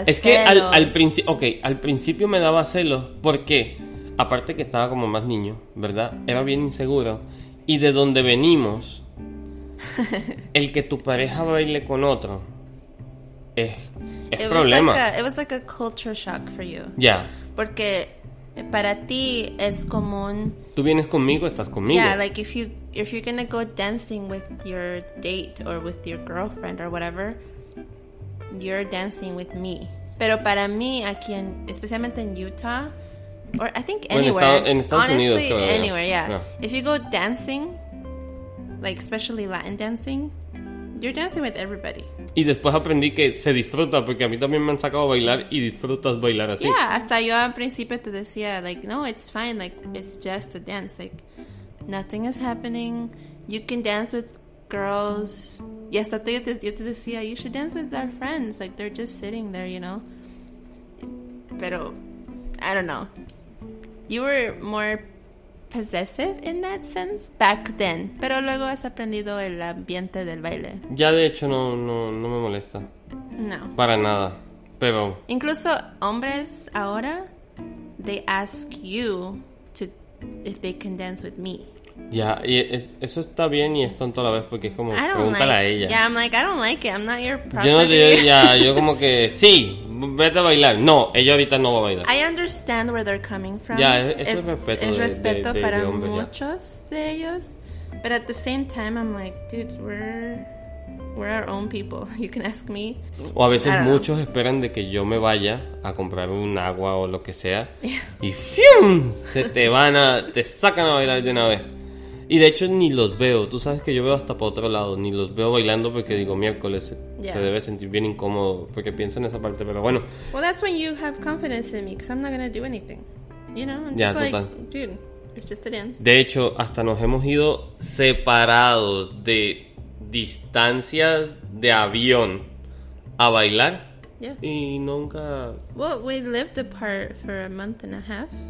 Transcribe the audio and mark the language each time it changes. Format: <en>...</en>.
<es>es celos. Es que al principio me daba celos porque, aparte que estaba como más niño, ¿verdad? Era bien inseguro. Y de donde venimos, el que tu pareja baile con otro es problema.</es> <en>It was like a culture shock for you. Yeah.</en> <es>Porque para ti es común. Tú vienes conmigo, estás conmigo.</es> <en>Yeah, like if you're gonna go dancing with your date or with your girlfriend or whatever, you're dancing with me.</en> <es>Pero para mí aquí en, especialmente en Utah,</es> <en>or I think anywhere,</en> <es>bueno, en Estados</es> <en>honestly,</en> <es>Unidos,</es> <en>anywhere, yeah. If you go dancing, like especially Latin dancing, you're dancing with everybody.</en> <es>Y después aprendí que se disfruta, porque a mí también me han sacado a bailar y disfrutas bailar así.</es> <en>Yeah,</en> <es>hasta yo al principio te decía,</es> <en>like, no, it's fine, like, it's just a dance, like, nothing is happening. You can dance with girls</en> <es>Y hasta yo te decía,</es> <en>you should dance with our friends. Like, they're just sitting there, you know. Pero, I don't know. You were more possessive in that sense back then.</en> <es>Pero luego has aprendido el ambiente del baile. Ya, de hecho, no me molesta. No. Para nada. Pero... Incluso hombres ahora, they ask you to if they can dance with me. Ya, y eso está bien y es tonto a la vez porque es como, pregúntale</es> <en>like,</en> <es>a ella.</es> <en>Yeah, I'm like, I don't like it, I'm not your property.</en> <es>Yo como que, sí, vete a bailar. No, ella ahorita no va a bailar.</es> <en>I understand where they're coming from.</en> <es>Ya, es respeto es respeto de para de hombres, muchos ya. De ellos.</es> <en>But at the same time, I'm like, dude, we're our own people. You can ask me.</en> <es>O a veces muchos esperan de que yo me vaya a comprar un agua o lo que sea.</es> <en>Yeah.</en> <es>Y ¡fium! Se te van a, te sacan a bailar de una vez. Y de hecho ni los veo, tú sabes que yo veo hasta para otro lado, ni los veo bailando porque digo miércoles, se debe sentir bien incómodo porque pienso en esa parte, pero bueno.</es> <en>Well, that's when you have confidence in me, because I'm not going to do anything, you know, I'm just</en> <es>total.</es> <en>Like, dude, it's just a dance.</en> <es>De hecho, hasta nos hemos ido separados de distancias de avión a bailar.</es> <en>Yeah.</en> <es>Y nunca...</es> <en>Well, we lived apart for a month and a half.</en>